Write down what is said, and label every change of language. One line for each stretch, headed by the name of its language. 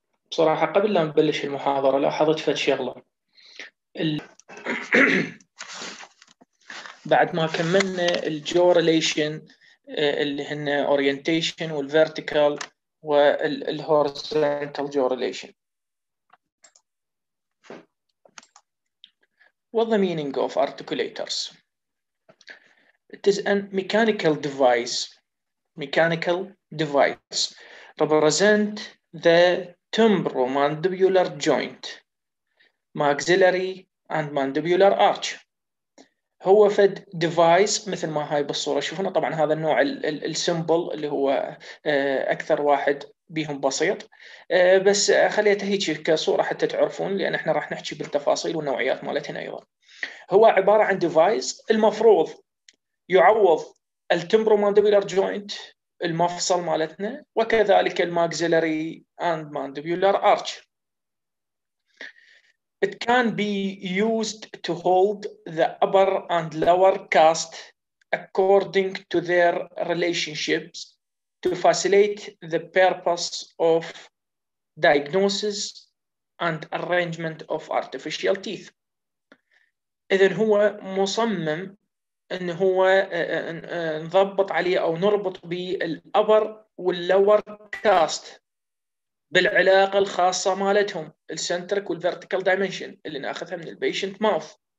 Arabic: بصراحة قبل لا نبلش المحاضرة لاحظت فد شغلة. بعد ما كملنا الجوريليشن اللي هن اورينتيشن والفيرتيكال والهوريزونتال جوريليشن.
English: What the meaning of articulators? It is a mechanical device. Mechanical device represent the temporomandibular joint, maxillary and mandibular arch.
Arabic: هو فد device مثل ما هاي بالصورة شوفنا. طبعا هذا النوع السيمبل اللي هو أكثر واحد بيهم بسيط، بس خليته هيك كصورة حتى تعرفون، لأن إحنا راح نحكي بالتفاصيل والنوعيات مالتنا أيضا. هو عبارة عن device المفروض يعوض التمبرومانديبولار جوينت المفصل مالتنا، وكذلك الماكسيلاري اند مانديبولار ارش.
English: It can be used to hold the upper and lower cast according to their relationships to facilitate the purpose of diagnosis and arrangement of artificial teeth.
Arabic: إذن هو مصمم ان هو نضبط عليه او نربط بالابر واللور كاست بالعلاقه الخاصه مالتهم السنترك والفيرتيكال دايمنشن اللي ناخذها من البيشنت ماوث.